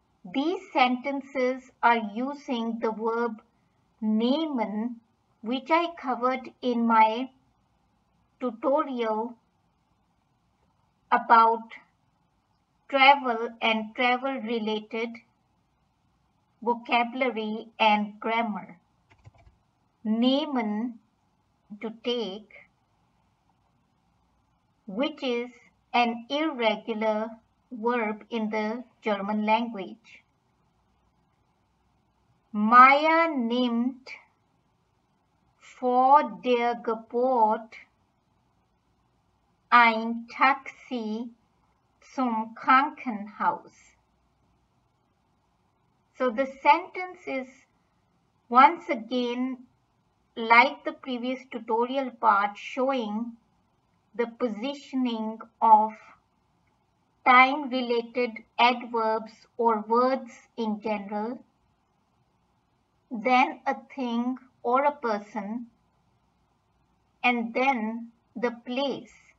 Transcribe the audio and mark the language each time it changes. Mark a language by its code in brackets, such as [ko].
[en] These sentences are using the verb nehmen, which I covered in my tutorial about travel and travel related vocabulary and grammar. Nehmen, to take, which is an irregular verb in the German language. [de] Maya nimmt vor der Geburt ein Taxi zum Krankenhaus. [en] So the sentence is once again like the previous tutorial part, showing the positioning of time related adverbs or words in general, then a thing or a person, and then the place.